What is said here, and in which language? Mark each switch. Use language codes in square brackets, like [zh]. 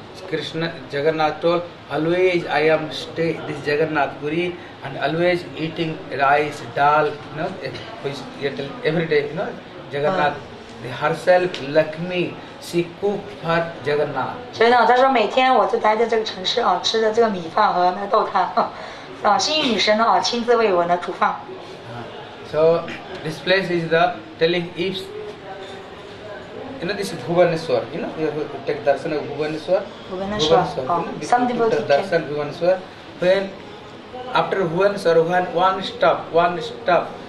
[en] Krishna, Jagannath told, always I am stay this Jagannath Puri and always eating rice, dal, you know, every day, you know, Jagannath, herself, Lakshmi, she cooked for Jagannath. [zh] 所以呢,他说每天我就待在这个城市, 吃的这个米饭和那个豆汤, 啊，新玉女神呢？亲自为我呢煮饭。 [en] So this place is the telling if you know this Bhubaneswar, you know you have to take darshan of Bhubaneswar. Bhubaneswar. Bhubaneswar. When after Bhubaneswar, one stop.